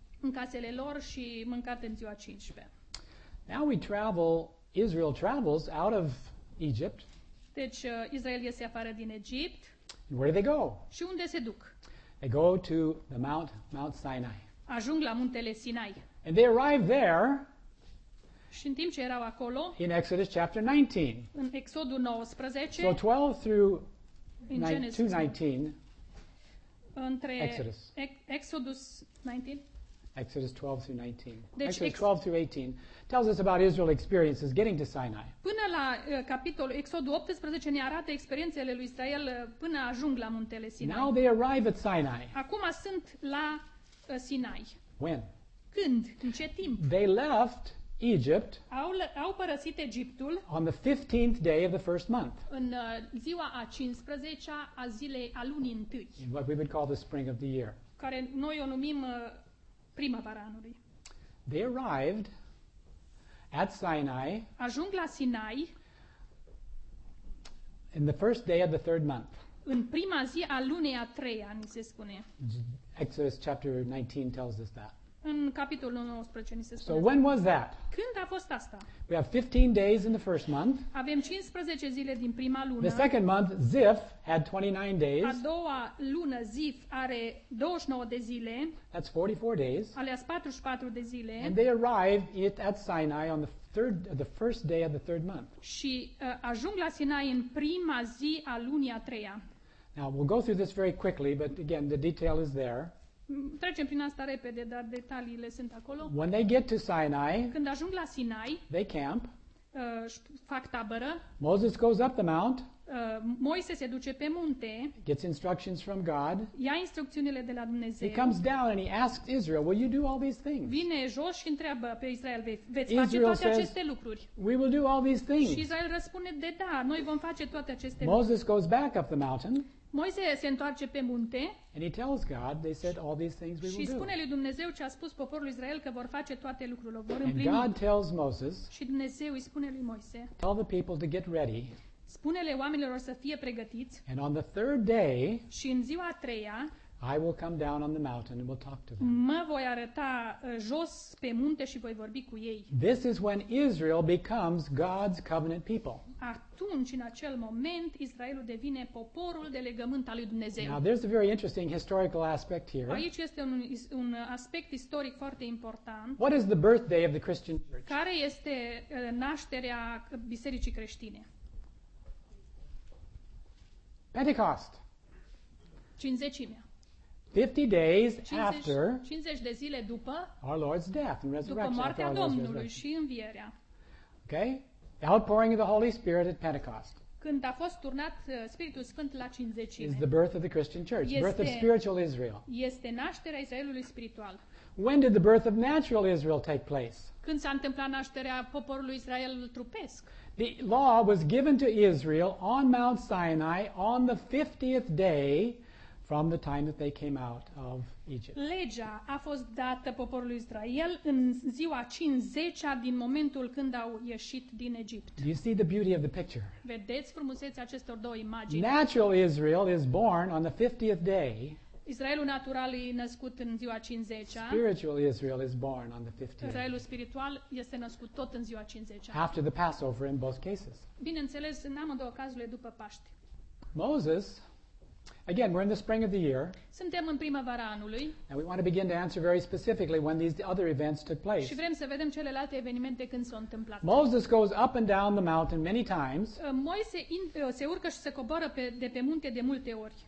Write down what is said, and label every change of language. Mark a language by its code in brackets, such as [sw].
[ro] În casele lor și mâncat în ziua 15. [en] Now we travel, Israel travels out of Egypt. [ro] Deci Israel iese afară din Egipt. [en] And where do they go? [ro] Și unde se duc? [en] They go to the Mount Sinai. [ro] Ajung la muntele Sinai. [en] And they arrive there. [ro] Și în timp ce erau acolo. [en] In Exodus chapter 19. [ro] În Exodul 19. [en] So 12 through 19. [ro] Între Exodus. Exodus 19. [en] Exodus 12 through 19. Deci Exodus 12 through 18. Tells us about Israel's experiences getting to Sinai. [ro] Până la capitolul Exodul 18 ne arată experiențele lui Israel până ajung la muntele Sinai. [en] Now they arrive at Sinai. [ro] Acum sunt la Sinai. [en] When? [ro] Când? În ce timp? [en] They left Egypt. [ro] Au părăsit Egiptul. [en] On the 15th day of the first month. [ro] În ziua a 15-a a zilei a lunii întâi. [en] What we would call the spring of the year. [ro] Care noi o numim primăvara anului. [en] They arrived at Sinai. [ro] Ajung la Sinai. [en] In the first day of the third month. [ro] În prima zi a lunii a treia, ni se spune. [en] Exodus chapter 19 tells us that. [ro] În capitolul 19 ni se spune. [en] So when was that? [ro] Când a fost asta? [en] We have 15 days in the first month. [ro] Avem 15 zile din prima lună. [en] The second month, Zif had 29 days. [ro] A doua lună, Zif are 29 de zile. [en] That's 44 days. [ro] Alea-s 44 de zile. [en] And they arrived at Sinai on the first day of the third month. [ro] Și ajung la Sinai în prima zi a lunii a treia. [en] Now we'll go through this very quickly, but again, the detail is there. [ro] Trecem prin asta repede, dar detaliile sunt acolo. [en] When they get to Sinai, [ro] când ajung la Sinai, [en] they camp. [ro] Fac tabără. [en] Moses goes up the mount. [ro] Moise se duce pe munte. [en] Gets instructions from God. [ro] Ia instrucțiunile de la Dumnezeu. [en] He comes down and he asks Israel, "Will you do all these things?" [ro] Vine jos și întreabă pe Israel, "Veți Israel face toate [en] says, [ro] aceste lucruri?" [en] "We will do all these things." [ro] Și Israel răspunde, "De da, noi vom face toate aceste lucruri." [en] Moses goes back up the mountain. [ro] Moise se întoarce pe munte. [en] And he tells God, they said all these things we will do. [ro] Și spune lui Dumnezeu ce a spus poporul Israel că vor face toate lucrurile, vor împlini. [en] And God tells Moses. [ro] Și Dumnezeu îi spune lui Moise. [en] Tell the people to get ready. [ro] Spune-le oamenilor să fie pregătiți. [en] And on the third day. [ro] Și în ziua a treia. [en] I will come down on the mountain and will talk to them. [ro] Mă voi arăta jos pe munte și voi vorbi cu ei. [en] This is when Israel becomes God's covenant people. [ro] Atunci, în acel moment, Israelul devine poporul de legământ al lui Dumnezeu. [en] Now, there's a very interesting historical aspect here. [ro] Aici este un aspect istoric foarte important. [en] What is the birthday of the Christian church? [ro] Care este nașterea bisericii creștine? [en] Pentecost. [ro] Cincizecimea. [en] 50 days 50, after [ro] 50 de zile după [en] our Lord's death and resurrection. [ro] După moartea Domnului și învierea. [en] Okay? The outpouring of the Holy Spirit at Pentecost. [ro] Când a fost turnat Spiritul Sfânt la cincizecime. [en] Is the birth of the Christian church, [ro] este, [en] birth of spiritual Israel. [ro] Este nașterea Israelului spiritual. [en] When did the birth of natural Israel take place? [ro] Când s-a întâmplat nașterea poporului Israel trupesc? [en] The law was given to Israel on Mount Sinai on the 50th day from the time that they came out of Egypt. [ro] Legea a fost dată poporului Israel în ziua 50-a din momentul când au ieșit din Egipt. [en] Do you see the beauty of the picture? [ro] Vedeți frumusețea acestor două imagini? [en] Natural Israel is born on the 50th day. [ro] Israelul natural e născut în ziua 50-a. [en] Spiritual Israel is born on the 50th. [ro] Israelul spiritual este născut tot în ziua 50-a. [en] After the Passover in both cases. [ro] Bineînțeles, în amândouă cazurile după Paște. [en] Moses. Again, we're in the spring of the year. [ro] Suntem în primăvara anului. [en] And we want to begin to answer very specifically when these other events took place. [ro] Și vrem să vedem celelalte evenimente când s-au întâmplat. [en] Moses goes up and down the mountain many times. [ro] Moise se urcă și se coboară de pe munte de multe ori.